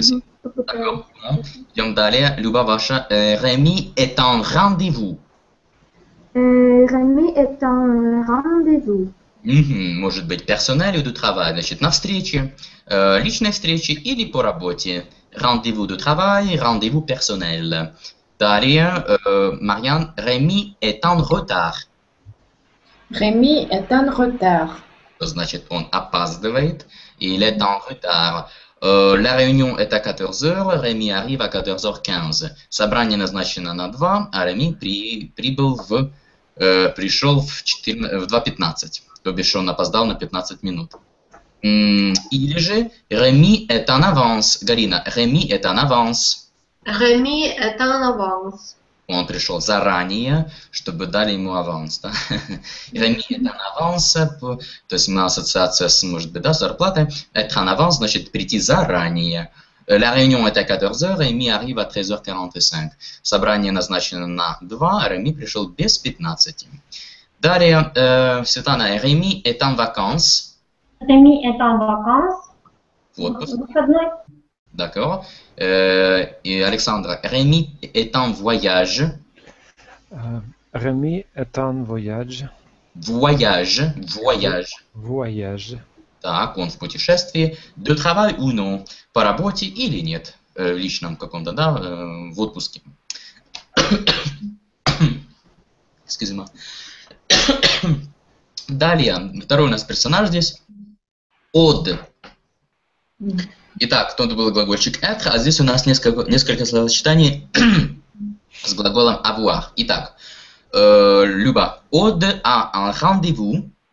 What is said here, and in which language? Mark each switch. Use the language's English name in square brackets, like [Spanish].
[Russian] Идем далее. Люба ваша. Реми – это рандеву. Реми – это рандеву. Может быть, персонель [French] ou du travail, [Russian] значит, на встрече, личной встрече или по работе. [French] Rendez-vous du travail, rendez-vous personnel. [Russian] Далее, [French] Marianne, Rémi est en retard. Rémi est en retard. [Russian] Значит, он опаздывает, [French] il est en retard. La réunion est à 14h, Rémi arrive à 14h15. [Russian] Собрание назначено на 2, а Rémi пришел в 2:15. То бишь он опоздал на 15 минут. Или же [French] Rémi est en avance. Галина, Rémi est en avance. Rémi est en avance. [Russian] Он пришел заранее, чтобы дали ему аванс. Да? [French] Rémi est en avance. [Russian] То есть у нас ассоциация с, может быть, да, зарплатой. [French] Être en avance [Russian] значит прийти заранее. [French] La réunion est à 14h, Rémi arrive à 13h45. [Russian] Собрание назначено на 2, Rémi пришел без 15. Далее, [French] Светлана, Rémi est en vacances. Rémi est en vacances. [Russian] Вот, выходной. [French] D'accord. Et Александра, Rémi est en voyage. Rémi est en voyage. Voyage, voyage. Voyage. [Russian] Так, он в путешествии. [French] De travail ou non? [Russian] По работе или нет? В личном каком-то, да, в отпуске. [French] Excusez-moi. [Russian] Далее, второй у нас персонаж здесь. Od. Итак, тут был глагольчик être, а здесь у нас несколько словосочетаний с глаголом avoir. Итак, [French] Люба, od a un rendez-vous.